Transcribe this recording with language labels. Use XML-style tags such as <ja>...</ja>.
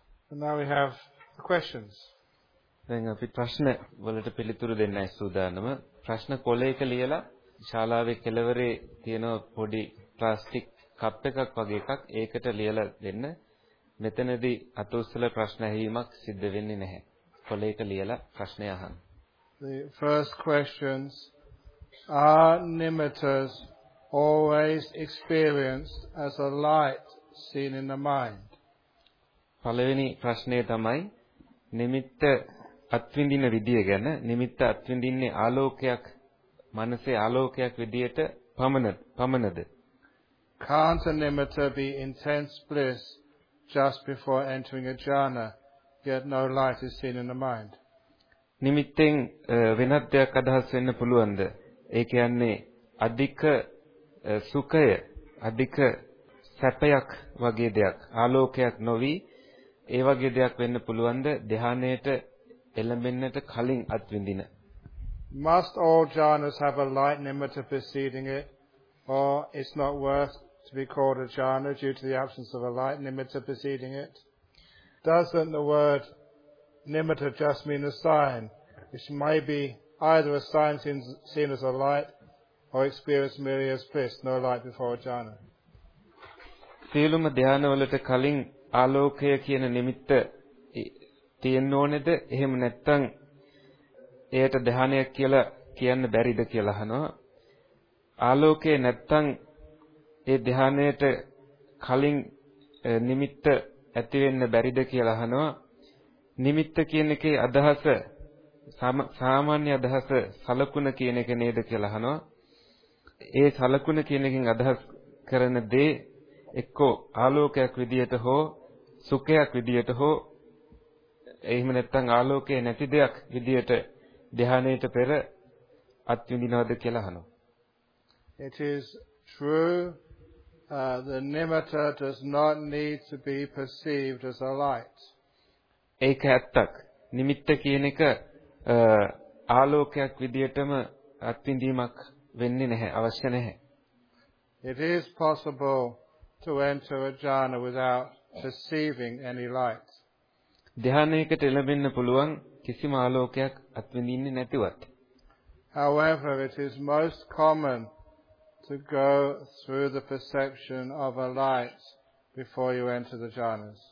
<en>So now we have the questions.</en> <si>දැන් අපි ප්‍රශ්න වලට පිළිතුරු දෙන්නයි සූදානම. ප්‍රශ්න කොළයක ලියලා ශාලාවේ කෙළවරේ තියෙන පොඩි ප්ලාස්ටික් කප් එකක් වගේ එකක් ඒකට ලියලා දෙන්න. මෙතනදී අතොස්සල ප්‍රශ්න ඇහිීමක් සිද්ධ වෙන්නේ නැහැ. කොළයක ලියලා ප්‍රශ්නය අහන්න.</si> <en>The first questions are nimittas always experienced as a light seen in the mind.</en> <si>පළවෙනි ප්‍රශ්නේ තමයි නිමිත්ත අත්විඳින විදිය ගැන නිමිත්ත අත්විඳින්නේ ආලෝකයක් මනසේ ආලෝකයක් විදියට පමණද?</si> <en>Can't a nimitta be intense bliss just before entering a jhana yet no light is seen in the mind?</en> <si>නිමිත්තෙන් වෙනත් දෙයක් අදහස් වෙන්න පුළුවන්ද? ඒ කියන්නේ අධික සුඛය, අධික සැපයක් වගේ දෙයක්, ආලෝකයක් නොවි ඒ වගේ දෙයක් වෙන්න පුළුවන්ද? ධ්‍යානයට එළඹෙන්නට කලින් අත්විඳින.</si> <en>Must all jhanas have a light nimitta preceding it, or it's not worth to be called a jhana due to the absence of a light nimitta preceding it? Doesn't the word nimitta just mean a sign, which may be either a sign seen as a light, or experienced merely as bliss, no light before a jhana?</en> <si>සියලුම ධ්‍යානවලට කලින් ආලෝකය කියන නිමිත්ත තියෙන්න ඕනේද? එහෙම නැත්නම් එයට ධ්‍යානයක් කියලා කියන්න බැරිද කියලා අහනවා. ආලෝකය නැත්නම් ඒ ධ්‍යානයට කලින් නිමිත්ත ඇති වෙන්න බැරිද කියලා අහනවා. නිමිත්ත කියන එකේ අදහස සාමාන්‍ය අදහස සලකුණ කියන එක නේද කියලා අහනවා. ඒ සලකුණ කියන එකෙන් අදහස් කරන දේ එක්කෝ ආලෝකයක් විදියට හෝ සුඛයක් විදියට හෝ එහෙම නැත්නම් ආලෝකයේ නැති දෙයක් විදියට ධ්‍යානයට පෙර අත්විඳිනවද කියලා අහනවා.</si> <en>It is true the nimitta does not need to be perceived as a light.</en> <si>ඒක ඇත්තක්. නිමිත්ත කියන එක ආලෝකයක් විදියටම අත්විඳීමක් වෙන්නේ නැහැ, අවශ්‍ය නැහැ.</si> <en>It is possible to enter a jhana without perceiving any light.</en> <si>ධ්‍යානයකට එළඹෙන්න පුළුවන් කිසිම ආලෝකයක් අත්විඳින්නේ නැතිවත්.</si> <en>However, it is most common to go through the perception of a light before you enter the jhanas.</en>